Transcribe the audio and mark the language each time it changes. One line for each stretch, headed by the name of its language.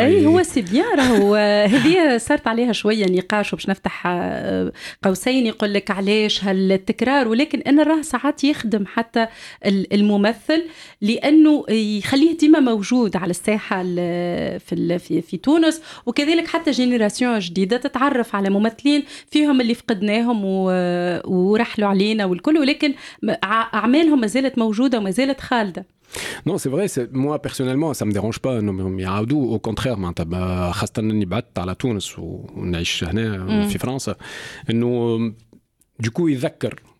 Arabic: اي هو سيبيارة هو هذه صارت عليها شوية نقاش، وباش نفتح قوسين يقول لك علاش هالتكرار، ولكن انا راه ساعات يخدم حتى الممثل لانه يخليه ديما موجود على الساحة في تونس، وكذلك حتى جينيراسيون جديدة تتعرف على ممثلين فيهم اللي فقدناهم ورحلوا علينا والكل، ولكن أعمالهم ما زالت موجودة وما زالت خالدة.
French: Non, c'est vrai, c'est moi personnellement ça me dérange pas. Non, mais au contraire,
Arabic: معناتها خاصة اني بعدت على تونس ونعيش هنا في فرنسا، انه du coup يذكر